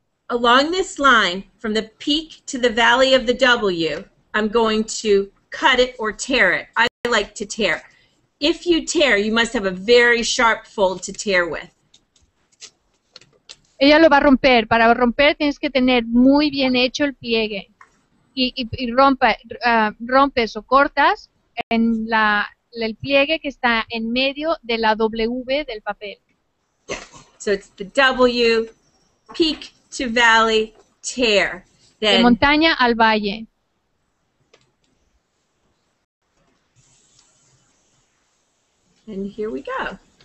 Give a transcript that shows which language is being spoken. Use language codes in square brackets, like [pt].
[en] Along this line, from the peak to the valley of the W, I'm going to cut it or tear it. I like to tear. If you tear, you must have a very sharp fold to tear with. [es] Ella lo va a romper. Para romper tienes que tener muy bien hecho el pliegue. Y rompes o cortas en el pliegue que está en medio de la W del papel. [en] So it's the W, peak to valley, tear. Then [es] de montaña al valle. [en] And here we go.